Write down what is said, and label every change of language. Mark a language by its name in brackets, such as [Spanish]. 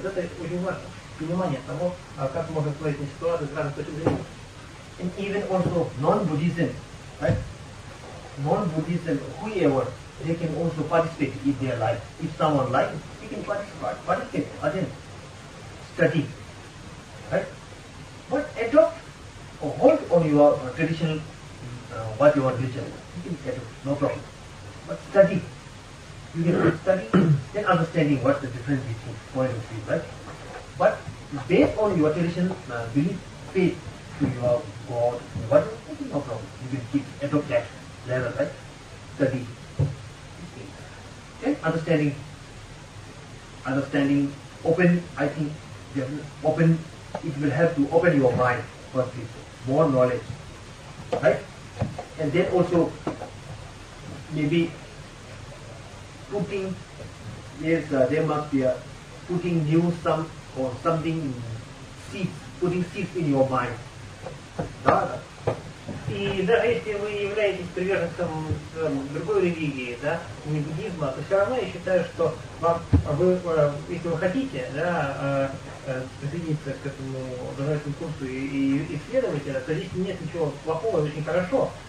[Russian] Вот это очень важно, понимание того, как можно смотреть на ситуацию с разной точки зрения. [English] And even also non-Buddhism, right? Non-Buddhism, whoever, they can also participate if they like. If someone likes, they can participate, again, study, right? But adopt or hold on your traditional, what you want to do, you can adopt, no problem. But study, you can study, then understanding what's the difference between point of view, right? But based on your traditional belief, faith to your God, what, no problem. You can keep adopt that level, right? Study, then understanding, open, I think, definitely, open. It will help to open your mind for people, more knowledge, right? And then also maybe putting, yes, there must be a putting new some or something seeds, putting seeds in your mind. Dada. [Russian] И даже если вы являетесь приверженцем другой религии, да, не буддизма, то все равно я считаю, что вам, вы, если вы хотите, да, присоединиться к этому образовательному курсу и исследователя, то здесь нет ничего плохого, очень хорошо.